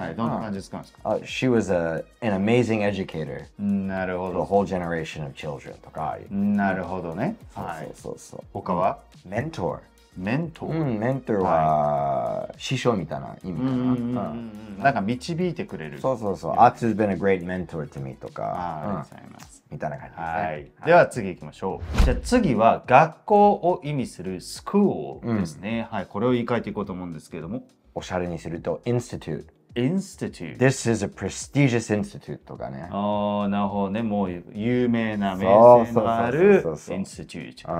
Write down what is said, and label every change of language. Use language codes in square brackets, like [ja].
[ja] はい、どんな感じですか？ [en] あ、She was an amazing educator. [ja] なるほど。 [en] The whole generation of children とか。 [ja] なるほどね。はい。そう。他はメントー。メントー、うん、メントーは師匠みたいな意味かな。なんか導いてくれる。そう。 [en] Arts has been a great mentor to me とか。 [ja] ありがとうございます。みたいな感じですね。はい。では次行きましょう。じゃあ次は学校を意味する school ですね、うん。はい。これを言い換えていこうと思うんですけれども。おしゃれにすると institute。 [en] Institute. This is a prestigious institute とかね。 [ja] ああ、なるほどね。もう有名な名声のあるinstitute。